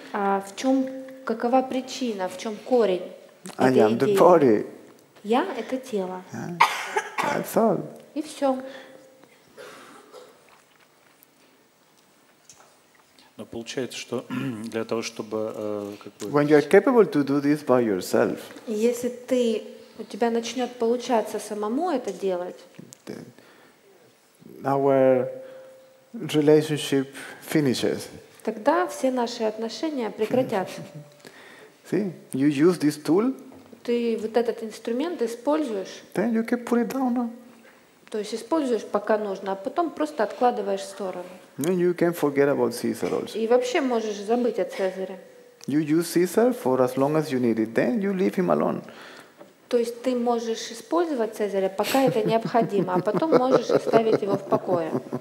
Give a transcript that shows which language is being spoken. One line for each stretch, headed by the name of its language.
Russian: А в чем, какова причина, в чем корень этой идеи?
English: I am the body.
Russian: Я — это тело.
English: Yeah. That's all.
Russian: И все. Но получается, что для того, чтобы...
English: When you are capable to do this by yourself.
Russian: Если ты, у тебя начнет получаться самому это делать...
English: Our relationship finishes.
Russian: Тогда все наши отношения прекратятся.
English: See, you use this tool.
Russian: Ты вот этот инструмент используешь.
English: Then you can put it down.
Russian: То есть используешь, пока нужно, а потом просто откладываешь в сторону.
English: Then you can forget about Caesar also.
Russian: И вообще можешь забыть о Цезаре.
English: You use Caesar for as long as you need it. Then you leave him alone.
Russian: То есть ты можешь использовать Цезаря, пока это необходимо, а потом можешь оставить его в покое.